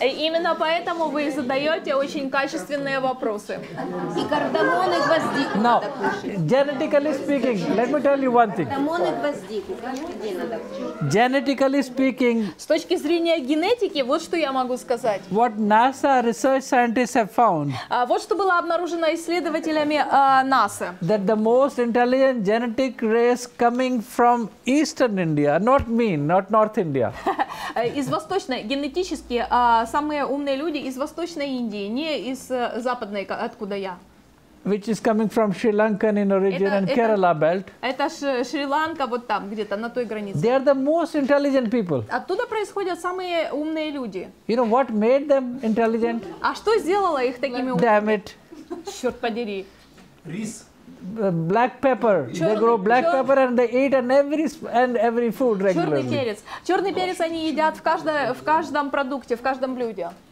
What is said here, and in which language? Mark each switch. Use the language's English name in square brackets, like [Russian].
[Russian] Именно поэтому вы задаете очень качественные вопросы. И кардамон и гвоздику. [English] Now, genetically speaking, let me tell you one thing. [Russian] Кардамон и гвоздику каждый день надо. [English] Genetically speaking. [Russian] С точки зрения генетики, вот что я могу сказать. [English] What NASA research scientists have found. [Russian] Вот что было обнаружено исследователями НАСА. [English] That the most intelligent genetic race coming from Eastern India, not mean, not North India. [Russian] Из восточной, генетически самые умные люди из восточной Индии, не из западной, откуда я. [English] Which is coming from Sri Lankan in origin and Kerala belt. [Russian] Это Шри-Ланка вот там где-то на той границе. [English] They are the most intelligent people. [Russian] Оттуда происходят самые умные люди. [English] You know what made them intelligent? [Russian] А что сделало их такими умными? [English] Damn it! [Russian] Черт подери! Рис. [English] Black pepper. They grow black pepper and they eat every food regularly. [Russian] Черный перец. Черный перец они едят в каждом продукте, в каждом блюде.